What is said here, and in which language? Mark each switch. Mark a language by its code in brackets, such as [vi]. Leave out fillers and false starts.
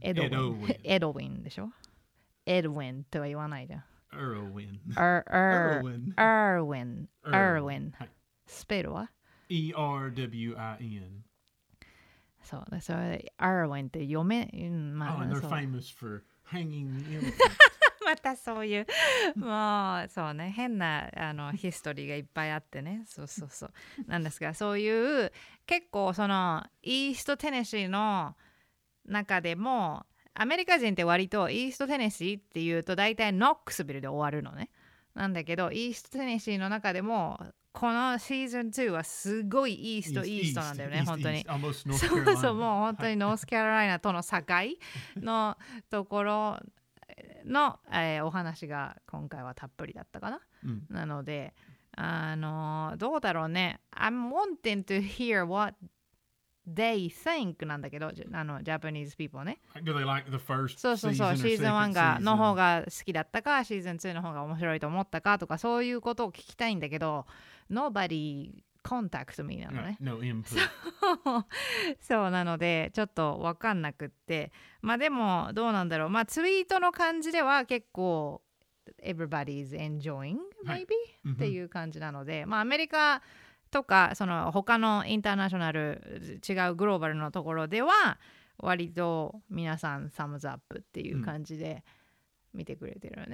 [ja] エドウィン。エドウィンでしょ？エドウィンとは言わないじゃん。エルウィン。エルウィン。エルウィン。スペルは？ [en] E-R-W-I-N。 [ja] そう、そう、エルウィンって読め、まあ、そう。 [en] Oh, and they're famous for hanging elephants. [ja] またそういう、もう、そうね、変なあのヒストリーがいっぱいあってね、そうそうそう。なんですが、そういう、結構そのイーストテネシーの中でもアメリカ人って割とイーストテネシーっていうと大体ノックスビルで終わるのね。なんだけどイーストテネシーの中でもこのシーズン2はすごいイーストイーストなんだよね、本当に。そうそう、もう本当にノースカロライナとの境のところの、お話が今回はたっぷりだったかな、うん、なのでどうだろうね。 [en] I'm wanting to hear what they think [ja] なんだけど、あの [en] Japanese people ね。 Do they like the first season or second season? [ja] そうそうそう、シーズン1がの方が好きだったか、シーズン2の方が面白いと思ったかとか、そういうことを聞きたいんだけど、 [en] Nobody contact me [ja] なのね。 [en] No input. [ja] そうなので、ちょっとわかんなくって。まあでも、どうなんだろう。まあツイートの感じでは結構、 [en] Everybody's enjoying maybe、 [ja] はい、っていう感じなので、うん、まあアメリカとかその他のインターナショナル違うグローバルのところでは割と皆さんサムズアップっていう感じで見てくれてるよね、うん、